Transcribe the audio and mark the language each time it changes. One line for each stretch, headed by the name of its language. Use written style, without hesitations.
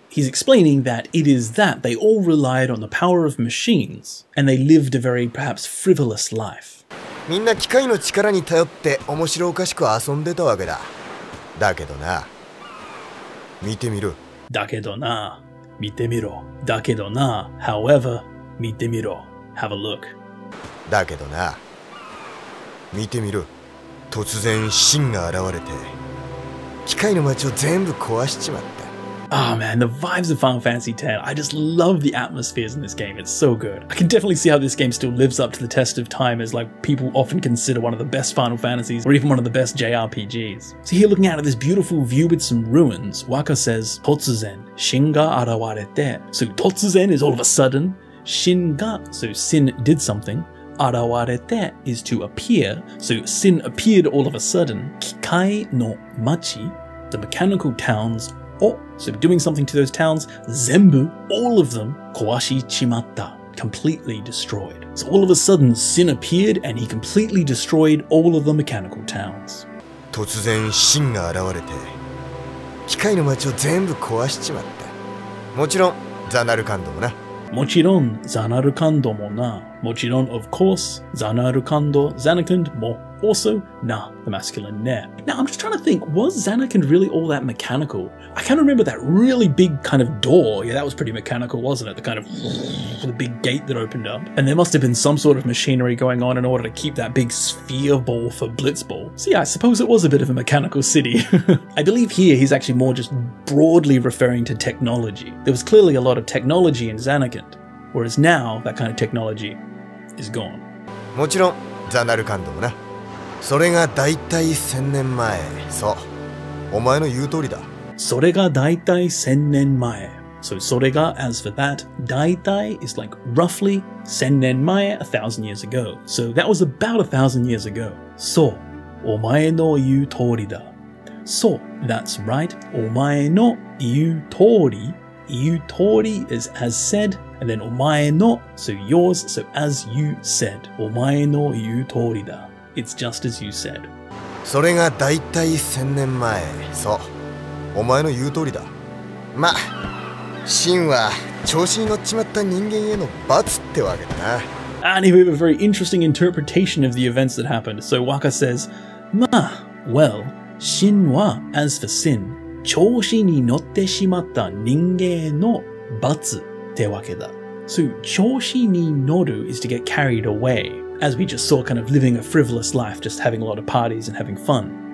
English: He's explaining that it is that they all relied on the power of machines and they lived a very perhaps frivolous life.
Japanese: みんな機械の力に頼って面白おかしく遊んでたわけだ。だけどな。見てみろ。だけどな。見てみろ。だけどな。
English: However,
Japanese: 見てみろ。
English: Have a look.
Japanese: だけどな。見てみろ。突然シンが現れて機械の街を全部壊しちまった。
English: Oh man, the vibes of Final Fantasy X. I just love the atmospheres in this game. It's so good. I can definitely see how this game still lives up to the test of time as like people often consider one of the best Final Fantasies or even one of the best JRPGs. So here looking out at this beautiful view with some ruins, Wakka says,
Japanese: 突然シンが現れて.
English: So 突然 is all of a sudden. シンが, so Sin did something. Arawarete is to appear, so Sin appeared all of a sudden.
Japanese: Kikai no machi,
English: the mechanical towns, o, so doing something to those towns, zenbu, all of them,
Japanese: koashi chimatta,
English: completely destroyed. So all of a sudden, Sin appeared and he completely destroyed all of the mechanical towns.
Japanese: 突然 Sin が現れて、機械の街を全部壊しちまった。もちろん、ザナルカンドもな。もちろん、ザナルカンドもな。もちろん、
English: of course,
Japanese: ザナルカンド、ザナカンドも、also, な、the masculine ね。
English: Now, I'm just trying to think, was ザナカンド really all that mechanical? I kind of remember that really big kind of door. Yeah, that was pretty mechanical, wasn't it? The kind of, the big gate that opened up. And there must have been some sort of machinery going on in order to keep that big sphere ball for Blitzball. So yeah, I suppose it was a bit of a mechanical city. I believe here, he's actually more just broadly referring to technology. There was clearly a lot of technology in ザナカンド. Whereas now, that kind of technology is gone.
Japanese: もちろん、ザナルカンドもな。それが大体千年前。そう。お前の言う通りだ。それが大体千年前。
English: So, それが, as for that, 大体 is like roughly 千年前, 1,000 years ago. So, that was about 1,000 years ago.
Japanese: そう。お前の言う通りだ。そう。
English: That's right.
Japanese: お前の言う通り。言う通り
English: is as said. And then, お前の, so yours, so as you said.
Japanese: お前の言う通りだ.
English: It's just as you said.
Japanese: それが大体千年前。そう。お前の言う通りだ。ま、神は調子に乗っちまった人間への罰ってわけだな。
English: And we have a very interesting interpretation of the events that happened. So Wakka says, ま、well, 神は, as for sin,
Japanese: 調子に乗ってしまった人間への罰。ってわけだ。
English: So, 調子に乗る is to get carried away, as we just saw kind of living a frivolous life, just having a lot of parties and having fun.